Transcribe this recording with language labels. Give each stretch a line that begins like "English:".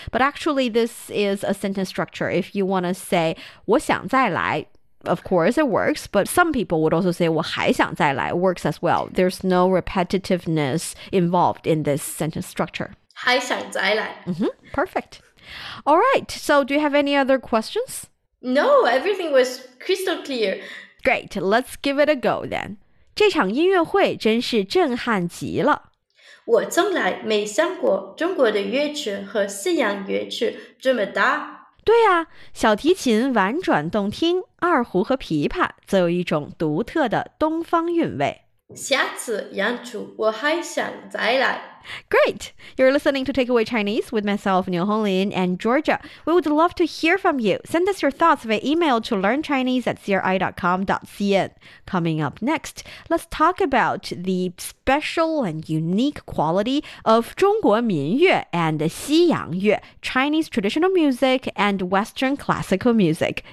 English: But actually, this is a sentence structure. If you want to say
Chinese: 我想再来,
English: of course it works. But some people would also say
Chinese: 我还想再来,
English: works as well. There's no repetitiveness involved in this sentence structure.
Chinese: 还想再来.
English: Mm-hmm, perfect. All right, so do you have any other questions? No, everything was crystal clear. Great, let's give it a go then.
Chinese: 这场音乐会真是震撼极了。我从来没想过中国的乐曲和西洋乐曲这么搭。对啊，小提琴婉转动听，二胡和琵琶则有一种独特的东方韵味。下次演出我还想再来。
English: Great! You're listening to Takeaway Chinese with myself, Niu Honglin, and Georgia. We would love to hear from you. Send us your thoughts via email to learnchinese@cri.com.cn. Coming up next, let's talk about the special and unique quality of 中国民乐 and 西洋乐, Chinese traditional music and Western classical music.